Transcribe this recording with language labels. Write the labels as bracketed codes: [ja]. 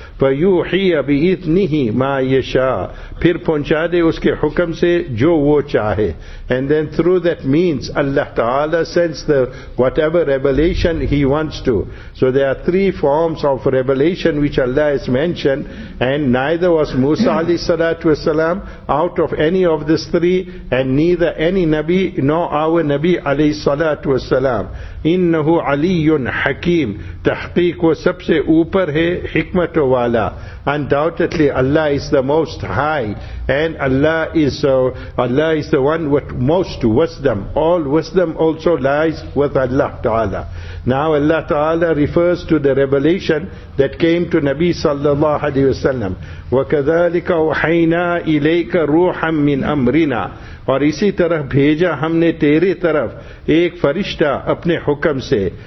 [ar] فَيُوحِيَ بِإِذْنِهِ مَا يَشَاء, [ur] پھر پہنچا دے اس کے حکم سے جو وہ چاہے. [en] And then through that means Allah Ta'ala sends the whatever revelation he wants to. So there are three forms of revelation which Allah has mentioned, and neither was Musa alayhi salatu wasalam out of any of these three, and neither any Nabi nor our Nabi alayhi salatu wasalam. [ar] إِنَّهُ عَلِيٌّ حَكِيمٌ, [ur] تحقیق وہ سب سے اوپر ہے حکمت و والا. [en] Undoubtedly Allah is the most high, and Allah is the one with most wisdom. All wisdom also lies with Allah Ta'ala. Now Allah Ta'ala refers to the revelation that came to Nabi sallallahu alayhi wa sallam. [ar] وَكَذَلِكَ وَحَيْنَا إِلَيْكَ رُوحًا مِّنْ أَمْرِنَا, [ur] اور اسی طرح بھیجا ہم نے تیرے طرف ایک فرشتہ اپنے حکم سے.